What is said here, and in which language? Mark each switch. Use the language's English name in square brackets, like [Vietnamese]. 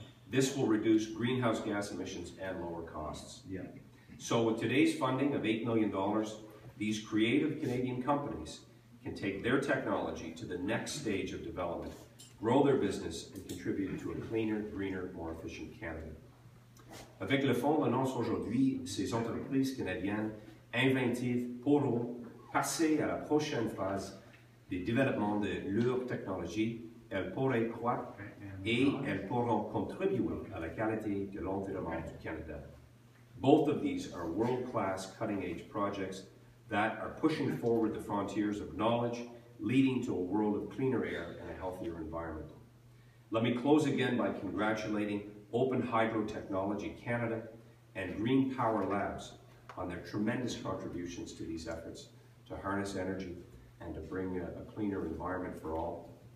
[English] This will reduce greenhouse gas emissions and lower costs. Yeah. So with today's funding of $8 million, these creative Canadian companies can take their technology to the next stage of development, grow their business, and contribute to a cleaner, greener, more efficient Canada. [French] Avec le fonds, l'annonce aujourd'hui, ces entreprises canadiennes inventives pourront passer à la prochaine phase du développement de leur technologie. Elles pourraient croître et elles pourront contribuer à la qualité de l'environnement du Canada. [English] Both of these are world-class cutting-edge projects that are pushing forward the frontiers of knowledge, leading to a world of cleaner air and a healthier environment. Let me close again by congratulating Open Hydro Technology Canada and Green Power Labs on their tremendous contributions to these efforts to harness energy and to bring a cleaner environment for all.